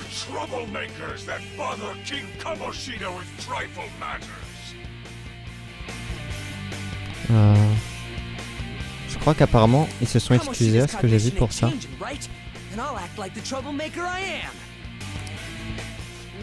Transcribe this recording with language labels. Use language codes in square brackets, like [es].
[en] Troublemakers that bother King Kamoshida with trifle matters. [fr] Je crois qu'apparemment ils se sont excusés à ce que j'ai dit pour ça. [en] And I'll act like the troublemaker I am.